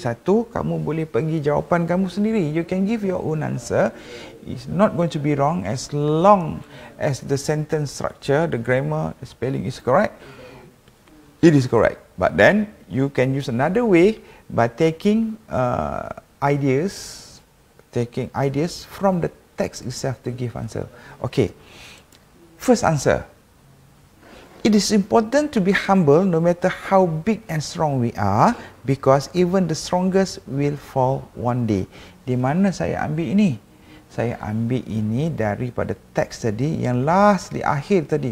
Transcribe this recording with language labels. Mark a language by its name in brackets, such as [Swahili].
[Malay] Satu, kamu boleh pergi jawapan kamu sendiri. [English] You can give your own answer. It's not going to be wrong as long as the sentence structure, the grammar, the spelling is correct. It is correct. But then, you can use another way by taking ideas from the text itself to give answer. Okay. First answer. It is important to be humble no matter how big and strong we are because even the strongest will fall one day. [Malay] Di mana saya ambil ini? Saya ambil ini daripada teks tadi yang last di akhir tadi.